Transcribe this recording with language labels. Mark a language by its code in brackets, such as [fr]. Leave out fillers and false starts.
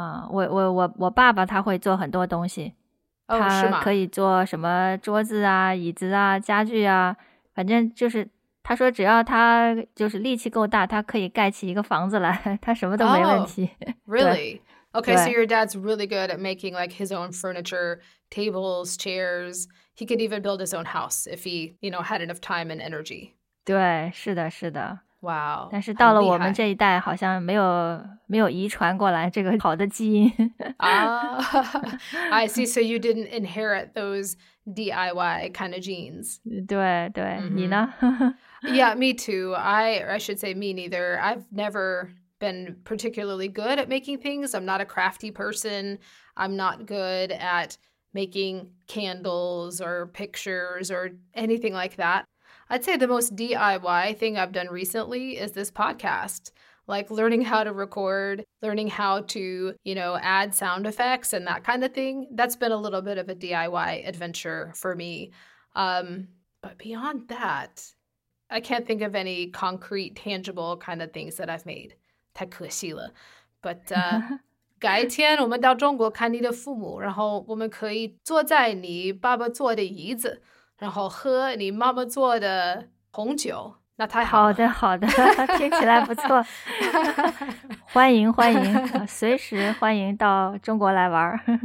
[zh] 我爸爸他会做很多东西，他可以做什么桌子啊、椅子啊、家具啊。反正就是他说只要他就是力气够大，他可以盖起一个房子来，他什么都没问题。 [en] Really? Okay, so your dad's really good at making like his own furniture, tables, chairs. He could even build his own house if he, you know, had enough time and energy. [zh] 对，是的，是的。 [en] Wow. [zh] 但是到了我们这一代好像没有遗传过来这个好的基因。 [en] I see, so you didn't inherit those DIY kind of genes. [zh] 对对、mm-hmm. 你呢 [en] Yeah, me too. I should say me neither. I've never been particularly good at making things. I'm not a crafty person. I'm not good at making candles or pictures or anything like that. I'd say the most DIY thing I've done recently is this podcast. Like learning how to record, learning how to, you know, add sound effects and that kind of thing. That's been a little bit of a DIY adventure for me. But beyond that, I can't think of any concrete, tangible kind of things that I've made. [zh] 太可惜了。 But 改一天我们到中国看你的父母，然后我们可以坐在你爸爸坐的椅子，然后喝你妈妈做的红酒，那太好了。好的，好的，听起来不错。欢迎，欢迎，随时欢迎到中国来玩。